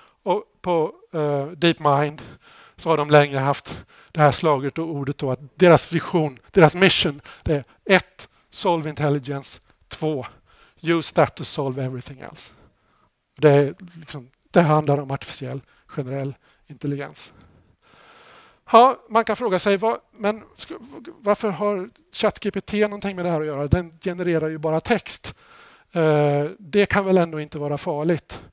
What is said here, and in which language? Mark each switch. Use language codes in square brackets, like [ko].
[sv] Och på DeepMind så har de länge haft det här slaget och ordet då, att deras vision, deras mission, det är 1. [en] Solve intelligence. 2. Use that to solve everything else. [sv] Det är liksom, det handlar om artificiell generell intelligens. Ja, man kan fråga sig, varför har ChatGPT någonting med det här att göra? Den genererar ju bara text. Det kan väl ändå inte vara farligt.